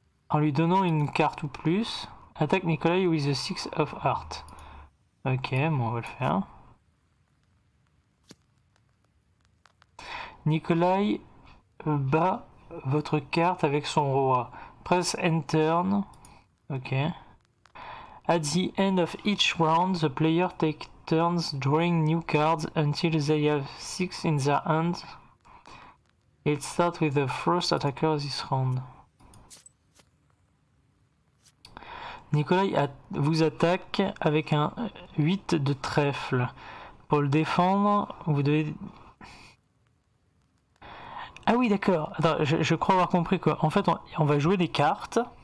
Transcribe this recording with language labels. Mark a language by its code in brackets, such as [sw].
[fr] En lui donnant une carte ou plus, attaque Nikolai [en] with the Six of Hearts. [fr] Ok, bon, on va le faire. Nikolai bat votre carte avec son roi. [en] Press and turn. Ok. At the end of each round, the player takes turns drawing new cards until they have six in their hand. It starts with the first attacker this round. [fr] Nikolai vous attaque avec un 8 de trèfle. Pour le défendre, vous devez. Ah oui, d'accord. Attends, je crois avoir compris quoi. En fait, on va jouer des cartes.